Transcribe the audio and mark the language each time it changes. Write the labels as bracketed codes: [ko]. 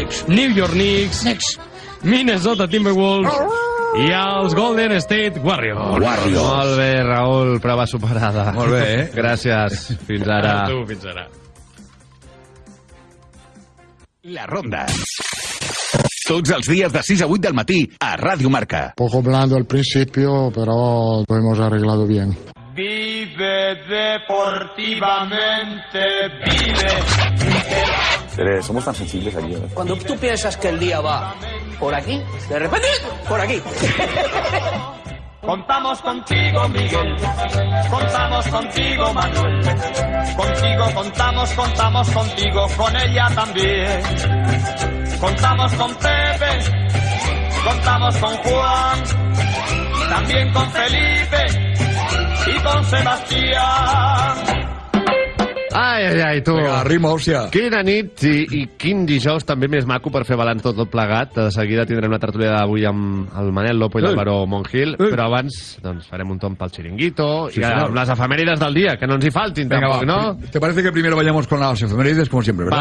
[ca] New York Knicks, Minnesota Timberwolves i els Golden State Warriors. Molt bé, Raül, prova superada. Molt bé, gràcies. Fins ara. Fins ara. La ronda. Tots els dies de 6 a 8 del matí a Radio Marca. [es] Poco blando al principio, pero lo hemos arreglado bien. Vive deportivamente, vive. Pero somos tan sensibles aquí. Cuando tú piensas que el día va por aquí, de repente, por aquí. Contamos contigo, Miguel. Contamos contigo, Manuel. Contigo contamos, contamos contigo, con ella también. Contamos con Pepe. Contamos con Juan. También con Felipe y con Sebastián. Ai, ai, ai, tu. [ca] Vinga, rima, òsia. Quina nit i quin dijous també més maco per fer balanç tot plegat. De seguida tindrem la tertúlia d'avui amb el Manel Lopo i el Baró Monjil. Però abans doncs, farem un tomb pel xiringuito i amb les efemèrides del dia, que no ens hi faltin. Vinga, tampoc, va. No? [es] ¿Te parece que primero vayamos con las efemèrides, como siempre, verdad?